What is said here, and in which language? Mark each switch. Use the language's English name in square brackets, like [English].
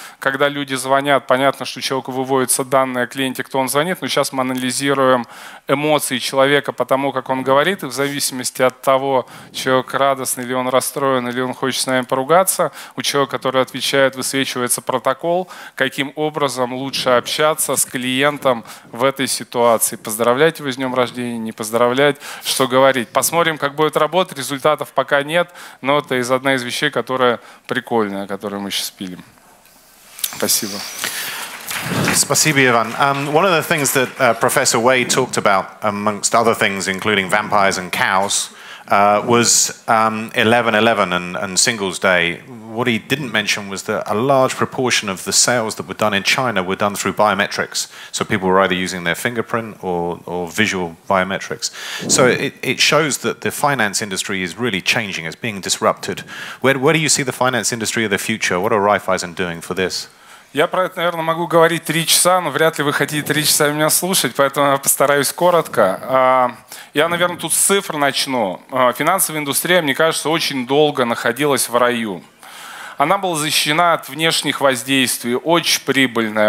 [Russian] Когда люди звонят, понятно, что у человека выводятся данные о клиенте, кто он звонит, но сейчас мы анализируем эмоции человека по тому, как он говорит, и в зависимости от того, человек радостный, или он расстроен, или он хочет с нами поругаться, у человека, который отвечает, высвечивается протокол, каким образом лучше общаться с клиентом в этой ситуации. Поздравлять его с днем рождения, не поздравлять, что говорить. Посмотрим, как будет работать, результатов пока нет. Но это из одна из вещей, которая прикольная, которую мы сейчас пилим. Спасибо. Спасибо, Иван. [English] One of the things that Professor Wei talked about, amongst other things, including vampires and cows, was 11-11 and Singles Day. What he didn't mention was that a large proportion of the sales that were done in China were done through biometrics. So people were either using their fingerprint or visual biometrics. So it shows that the finance industry is really changing, it's being disrupted. Where do you see the finance industry of the future? What are Raiffeisen doing for this? [Russian] Я про это, наверное, могу говорить 3 часа, но вряд ли вы хотите 3 часа меня слушать, поэтому я постараюсь коротко. Я, наверное, тут с цифр начну. Финансовая индустрия, мне кажется, очень долго находилась в раю. Она была защищена от внешних воздействий, очень прибыльная.